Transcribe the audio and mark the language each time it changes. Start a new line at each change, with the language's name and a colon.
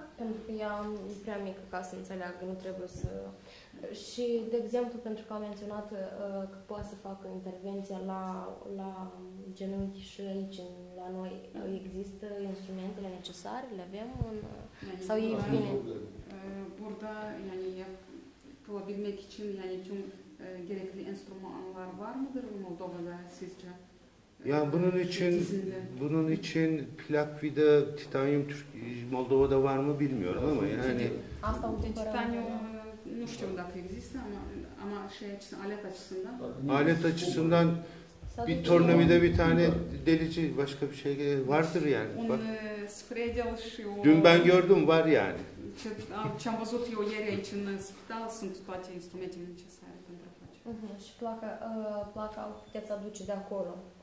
Romanian: Pentru că ea e prea mică ca să înțeleagă, nu trebuie să... Și, de exemplu, pentru că am menționat că poate să facă intervenția la genunchi și aici, la noi, există instrumentele necesare? Le avem? Sau e bine?
Turkish: Burda, yani, probabilmek için, yani, tüm gerekli enstrümanlar var mıdır Moldova'da sizce? Ya bunun için plak vida titanyum Moldova'da var mı bilmiyorum ama yani titanyum
Romanian: nu știu dacă există
Turkish: ama şey açısından, alet açısından. Alet açısından bir tornavida bir tane delici başka bir şey vardır yani. Bak. Spredelşi o. Dün ben gördüm var yani.
Romanian: Ce-am văzut eu ieri aici în spital, sunt toate instrumentele necesare pentru a face. Și placa o puteți aduce de acolo.